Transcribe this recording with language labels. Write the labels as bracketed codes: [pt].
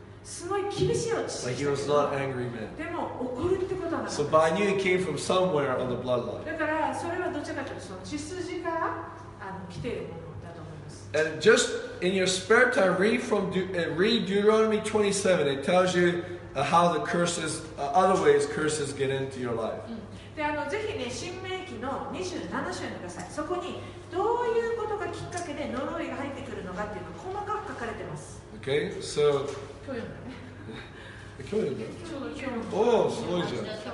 [ja] すごい厳しいお父さん。 [en] Like、he was not angry man. [ja] でも怒るってことなんです。 [en] So, but I knew it came from somewhere on the bloodline. [ja] だからそれはどちらかというとその血筋から来ているものだと思います。 [en] And just in your spare time, read Deuteronomy 27. It tells you how the curses, other ways curses get into your life.、 [ja] うん、で、ぜひね、新命記の27章を読んでください。そこにどういうことがきっかけで呪いが入ってくるのかっていうのが細かく書かれてます。 Okay, so. 今日読んだね。今日読んだ。おー、すごいじゃん。